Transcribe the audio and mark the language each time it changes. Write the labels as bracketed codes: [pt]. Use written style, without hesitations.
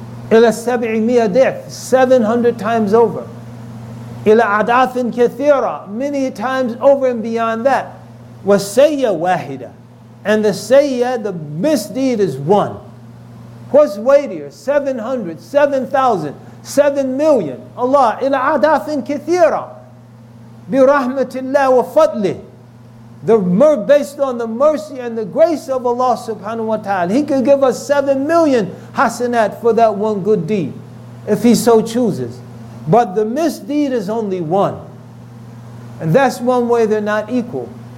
[ar] إلى 700 ضعف, [en] 700 times over. [ar] إلى أضعاف كثيرة, [en] many times over and beyond that. [ar] وَالسَّيَّ وَاحِدَة. [en] And the sayya, the misdeed is one. What's weightier? 700, 7,000, 7 million. [ar] Allah, إلى أضعاف كثيرة. برحمة الله وفضله. [en] Based on the mercy and the grace of Allah subhanahu wa ta'ala, He could give us 7 million hasanat for that one good deed, if He so chooses. But the misdeed is only one. And that's one way they're not equal.